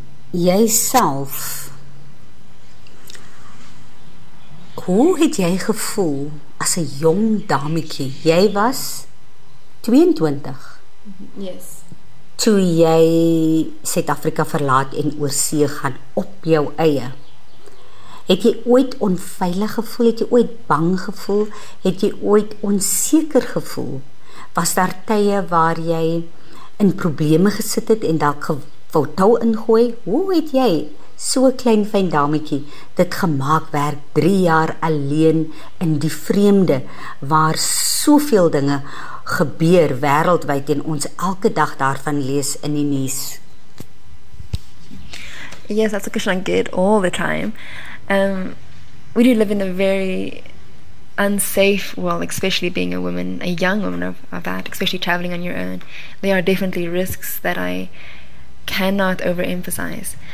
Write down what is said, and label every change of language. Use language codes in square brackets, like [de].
[af] Jy self, hoe het jy gevoel as 'n jong dametjie? Jy was 22. [en] Yes. [af] Toe jy Suid-Afrika verlaat en oor see gaan op jou eie. Het jy ooit onveilig gevoel? Het jy ooit bang gevoel? Het jy ooit onseker gevoel? Was daar tye waar jy in probleme gesit het en dalk wou tou ingooi? Hoe het jy so'n klein fyn dametjie dit gemaak werk 3 jaar alleen in die vreemde waar soveel dinge gebeur wêreldwyd en ons elke dag daarvan lees in die nuus? [en] Yes, that's a question I get all the time. We do live in a very unsafe world, especially being a woman, a young woman of that, especially traveling on your own. There are definitely risks that I cannot overemphasize.